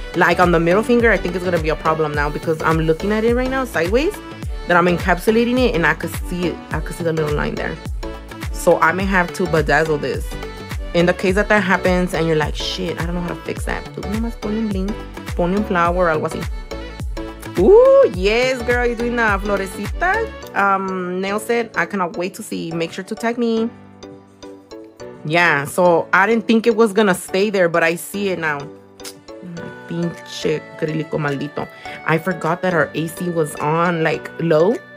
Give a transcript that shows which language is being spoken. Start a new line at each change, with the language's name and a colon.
English: Like on the middle finger, I think it's gonna be a problem now because I'm looking at it right now sideways, that I'm encapsulating it and I could see it. I could see the little line there. So I may have to bedazzle this. In the case that that happens and you're like, shit, I don't know how to fix that.
Spanish: Tú nomás pon un bling, pon un flower, algo así.
English: Ooh, yes, girl, you're doing the florecita nail set. I cannot wait to see. Make sure to tag me. Yeah, so I didn't think it was going to stay there, but I see it now.
Spanish: Pinche acrílico maldito.
English: I forgot that our AC was on, like, low.